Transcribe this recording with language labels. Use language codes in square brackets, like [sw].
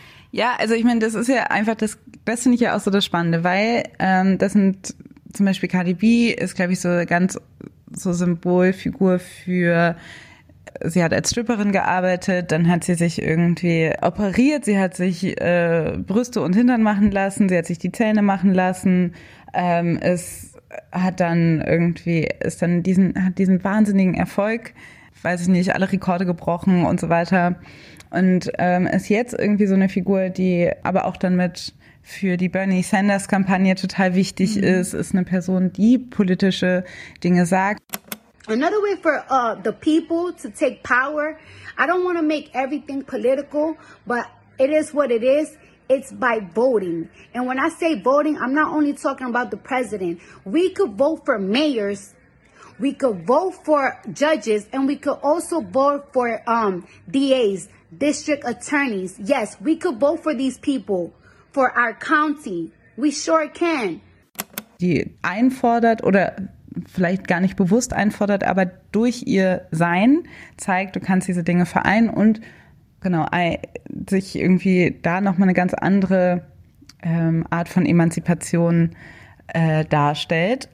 [de] Ja, also ich meine, das ist ja einfach das, das finde ich ja auch so das Spannende, weil das sind zum Beispiel Cardi B ist, glaube ich, so ganz so Symbolfigur für, sie hat als Stripperin gearbeitet, dann hat sie sich irgendwie operiert, sie hat sich Brüste und Hintern machen lassen, sie hat sich die Zähne machen lassen, es hat dann irgendwie, ist dann diesen, hat diesen wahnsinnigen Erfolg, weiß ich nicht, alle Rekorde gebrochen und so weiter. Und ist jetzt irgendwie so eine Figur, die aber auch dann mit für die Bernie Sanders-Kampagne total wichtig ist, ist eine Person, die politische Dinge sagt. [en] Another way for the people to take power, I don't want to make everything political, but it is what it is. It's by voting. And when I say voting, I'm not only talking about the president. We could vote for mayors. We could vote for judges and we could also vote for DAs, district attorneys. Yes, we could vote for these people, for our county. We sure can. [de] Die einfordert oder vielleicht gar nicht bewusst einfordert, aber durch ihr Sein zeigt, du kannst diese Dinge vereinen und genau, sich irgendwie da nochmal eine ganz andere Art von Emanzipation darstellt.